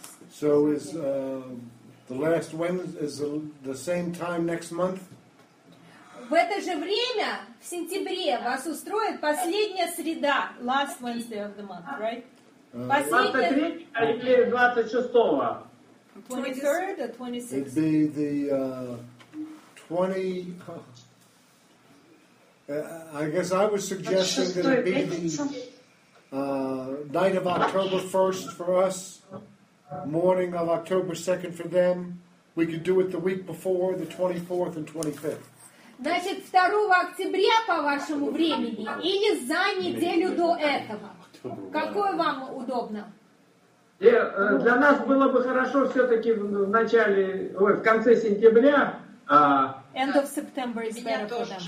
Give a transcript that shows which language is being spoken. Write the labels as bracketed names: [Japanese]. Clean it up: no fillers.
[English] So is the last Wednesday is the same time next month? [Russian] В это же время в сентябре вас устроит последняя среда, [English] last Wednesday of the month, right? 23rd or 26th? It'd be the 20... I guess I was suggesting that it'd be the night of October 1st for us, morning of October 2nd for them. We could do it the week before, the 24th and 25th. [Russian] Значит, 2 октября по вашему времени или за неделю до этого? Какое вам удобно? Для нас было бы хорошо все-таки в конце сентября. [English] End of September is better for them.